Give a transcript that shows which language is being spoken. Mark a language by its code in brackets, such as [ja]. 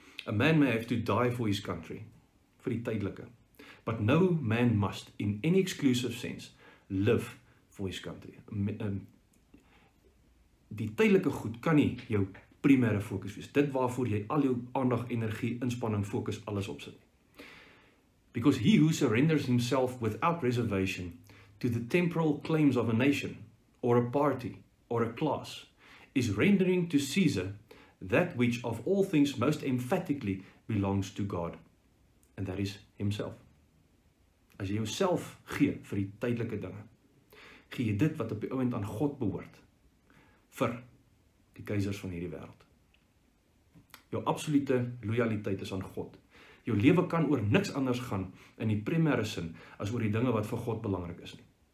[en] A man may have to die for his country, [af] vir die tydelike, [en] but no man must, in any exclusive sense, live for his country. [af] Die tydelike goed kan nie jou primêre fokus wees, dit waarvoor jy al jou aandag, energie, inspanning, fokus, alles opsit. [en] Because he who surrenders himself without reservation to the temporal claims of a nation, or a party, or a class, is rendering to Caesar that which of all things most emphatically belongs to God, and that is himself. [af] As jy jouself gee vir die tydelike dinge, gee jy dit wat op die oomblik aan God behoort, vir die keisers van hierdie wêreld. Jou absolute loyaliteit is aan God. Jou lewe kan oor niks anders gaan in die primêre sin as oor die dinge wat vir God belangrik is nie.